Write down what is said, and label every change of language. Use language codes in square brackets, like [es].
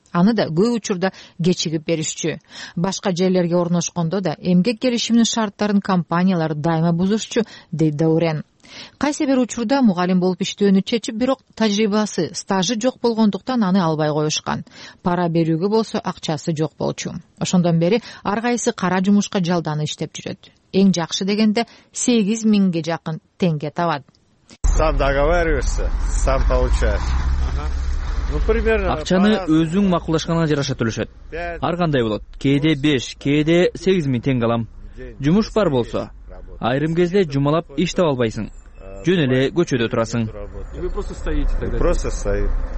[ky] Аны да көп учурда кечигип беришчү. Башка жерлерге орношкондо да эмгек келишимин шарттарын компаниялар дайыма бузушчу, дейт Даурен. Кайсы бир учурда мугалим болуп иштөөнү чечип, бирок тажрыйбасы, стажы жок болгондуктан аны албай коюшкан. Пара берүүгө болсо акчасы жок болчу. Ошондон бери ар кайсы кара жумушка жалданып иштеп жүрөт. Эң жакшы дегенде 8 миңге жакын теңге табат. [ru] Сам договариваешься, сам получаешь. [ky] Акчаны өзүң макулдашканга жараша төлөшөт. Ар кандай болот. Кээде 5, кээде 8 миң теңге алам. Жумуш бар болсо, айрым кезде жумалап иш таба албайсың. Жөн эле көчөдө турасың. [ru] Просто стоите.